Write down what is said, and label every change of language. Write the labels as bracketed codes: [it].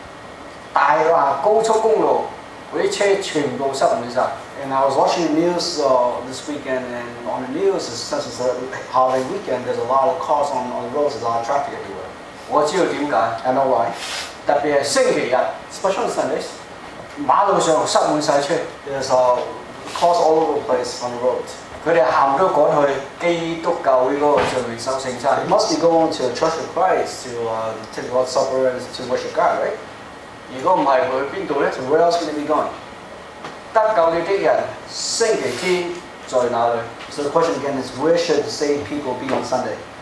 [zh] 我這裡看新聞看到這個周末大高速公路 [en] And I was watching the news this weekend, and on the news, since it's a holiday weekend, there's a lot of cars on the roads, there's a lot of traffic everywhere. [zh] 我知道為什麼? [en] I know why. [zh] 特別是星期日, [en] especially on Sundays, [zh] 馬路上塞滿車, [en] there's cars all over the place on the roads. [zh] 他們全部都趕去基督教會的聚會收聖餐. [en] They must be going to the Church of Christ to take the Lord's Supper and to worship God, right? [zh] 如果不是去哪裡呢? [en] So where else can they be going? [zh] 得救的人星期天在哪裡? [en] So the question again is, where should the saved people be on Sunday?